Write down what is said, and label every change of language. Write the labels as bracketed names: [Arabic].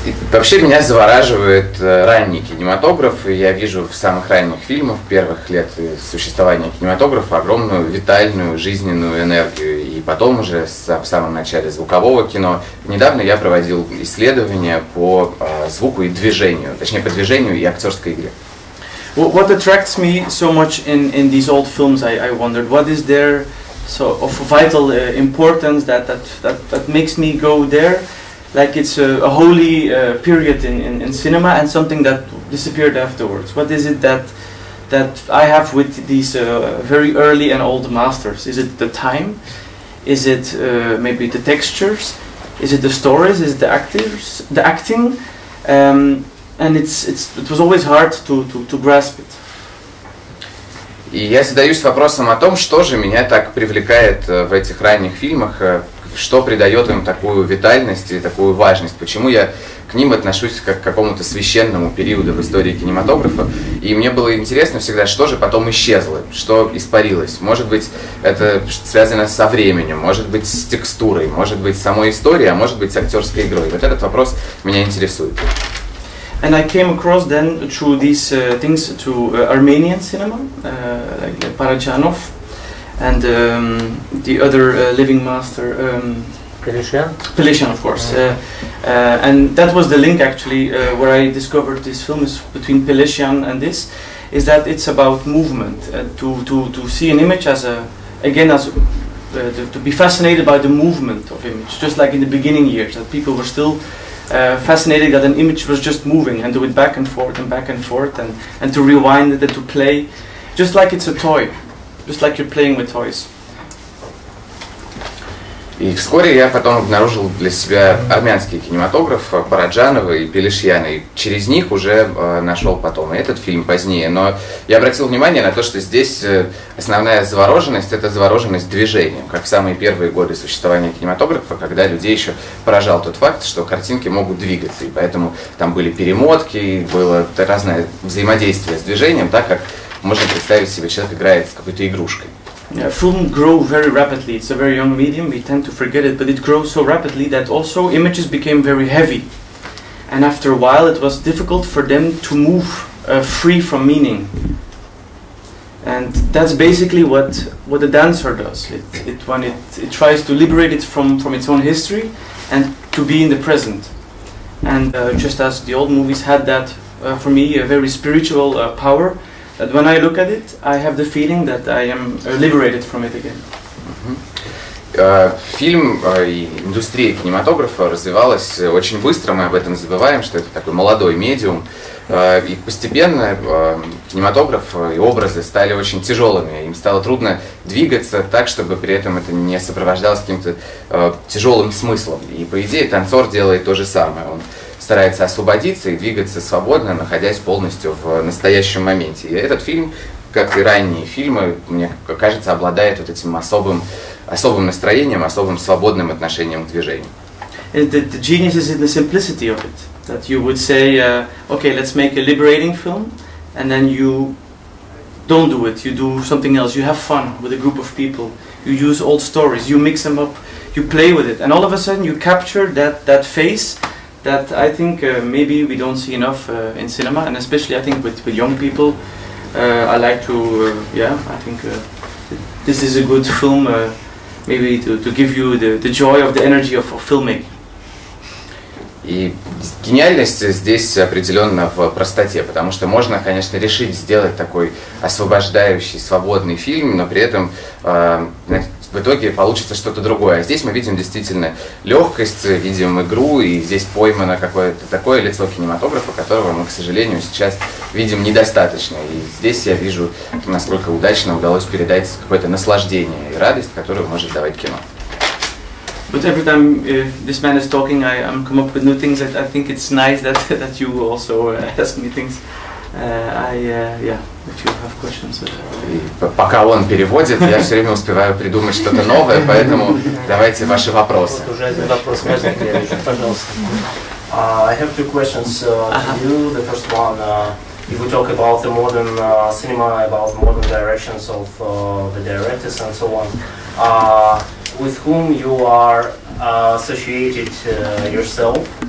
[Russian] Вообще меня завораживает ранний кинематограф, и я вижу в самых ранних фильмах, первых лет существования кинематографа, огромную витальную жизненную энергию. И потом уже в самом начале звукового кино, недавно я проводил исследования по звуку и движению, точнее по движению и актерской игре. [English] What attracts me so much in these old films, I wondered, what is there so of vital importance that makes me go there, like it's a holy period in cinema and something that disappeared afterwards. What is it that I have with these very early and old masters? Is it the time? Is it maybe the textures? Is it the stories? Is it the actors? The acting? And it was always hard to grasp it. [Russian] И я задаюсь вопросом о том, что же меня так привлекает в этих ранних фильмах, что придает им такую витальность и такую важность, почему я к ним отношусь как к какому-то священному периоду в истории кинематографа. И мне было интересно всегда, что же потом исчезло, что испарилось. Может быть, это связано со временем, может быть, с текстурой, может быть, с самой историей, а может быть, с актерской игрой. Вот этот вопрос меня интересует. [English] And I came across then through these things to Armenian cinema, like Parajanov, and the other living master, Pelishian, of course. And that was the link actually where I discovered this film is between Pelishian and this, is that it's about movement. To see an image to be fascinated by the movement of image, just like in the beginning years that people were still. Fascinated that an image was just moving and do it back and forth and back and forth and to rewind it and to play just like it's a toy, just like you're playing with toys. [Russian] И вскоре я потом обнаружил для себя армянский кинематограф Параджанова и Пелешьяна. И через них уже нашел потом этот фильм позднее. Но я обратил внимание на то, что здесь основная завороженность – это завороженность движением. Как в самые первые годы существования кинематографа, когда людей еще поражал тот факт, что картинки могут двигаться. И поэтому там были перемотки, было разное взаимодействие с движением, так как можно представить себе, человек играет с какой-то игрушкой. [English] Yeah, film grow very rapidly. It's a very young medium. We tend to forget it, but it grows so rapidly that also images became very heavy. And after a while, it was difficult for them to move free from meaning. And that's basically what a dancer does. It tries to liberate it from its own history and to be in the present. And just as the old movies had that, for me, a very spiritual power, that when I look at it, I have the feeling that I am liberated from it again. [Russian] Фильм и индустрия кинематографа развивалась очень быстро, мы об этом забываем, что это такой молодой медиум. И постепенно кинематограф и образы стали очень тяжелыми. Им стало трудно двигаться так, чтобы при этом это не сопровождалось каким-то тяжелым смыслом. И по идее танцор делает то же самое. Он старается освободиться и двигаться свободно, находясь полностью в настоящем моменте. И этот фильм, как и ранние фильмы, мне кажется, обладает вот этим особым настроением, особым свободным отношением к движению. [English] The genius is in the simplicity of it. That you would say, okay, let's make a liberating film, and then you don't do it, you do something else, you have fun with a group of people, you use old stories, you mix them up, you play with it, and all of a sudden you capture that face that I think maybe we don't see enough in cinema, and especially I think with young people, I like to, I think this is a good film, maybe to give you the joy of the energy of filmmaking. [Russian] И гениальность здесь определенно в простоте, потому что можно, конечно, решить сделать такой освобождающий, свободный фильм, но при этом в итоге получится что-то другое. А здесь мы видим действительно легкость, видим игру, и здесь поймано какое-то такое лицо кинематографа, которого мы, к сожалению, сейчас видим недостаточно. И здесь я вижу, насколько удачно удалось передать какое-то наслаждение и радость, которую может давать кино. [English] But every time this man is talking, I'm come up with new things. I think it's nice that you also ask me things. If you have questions. [Russian] Пока он переводит, я все время успеваю придумать что-то новое, поэтому давайте ваши вопросы. Вот уже один вопрос каждый день, пожалуйста. [English] I have two questions to you. The first one, if we talk about the modern cinema, about modern directions of the directors and so on. With whom you are associated yourself.